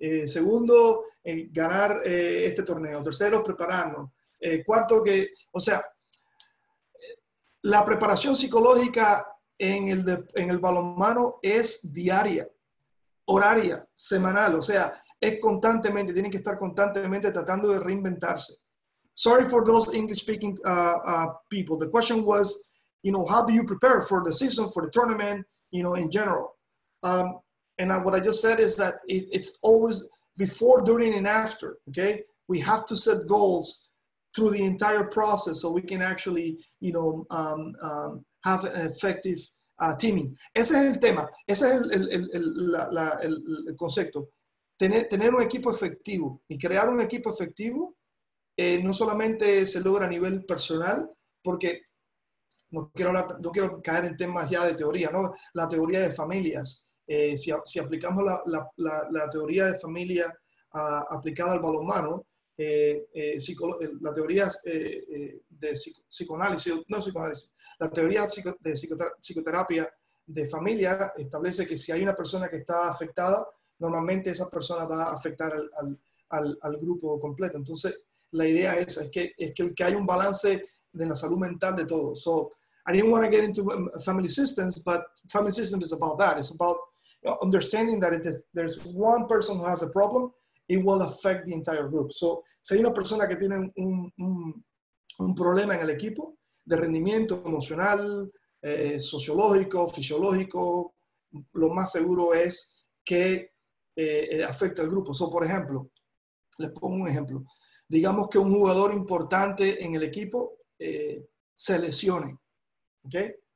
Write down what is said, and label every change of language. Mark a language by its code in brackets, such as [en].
[es] Segundo, ganar este torneo. Tercero, prepararnos. Cuarto, que... O sea, la preparación psicológica en el balonmano es diaria, horaria, semanal, o sea, es constantemente, tienen que estar constantemente tratando de reinventarse. [en] Sorry for those English-speaking people. The question was, you know, how do you prepare for the season, for the tournament, you know, in general? What I just said is that it's always before, during, and after, okay? We have to set goals through the entire process so we can actually, you know, have an effective teaming. [es] Ese es el tema, ese es el concepto. Tener un equipo efectivo y crear un equipo efectivo no solamente se logra a nivel personal, porque no quiero caer en temas ya de teoría, ¿no? La teoría de familias. Si aplicamos la teoría de familia aplicada al balonmano, la teoría de psicoanálisis, no psicoanálisis, la teoría de psicoterapia de familia establece que si hay una persona que está afectada, normalmente esa persona va a afectar al grupo completo. Entonces, la idea es que hay un balance de la salud mental de todos. [en] So, I didn't want to get into family systems, but family system is about that. It's about, you know, understanding that if there's one person who has a problem, it will affect the entire group. [es] So, si hay una persona que tiene un problema en el equipo, de rendimiento emocional, sociológico, fisiológico, lo más seguro es que afecta al grupo. So, por ejemplo, les pongo un ejemplo. Digamos que un jugador importante en el equipo se lesione. ¿Okay?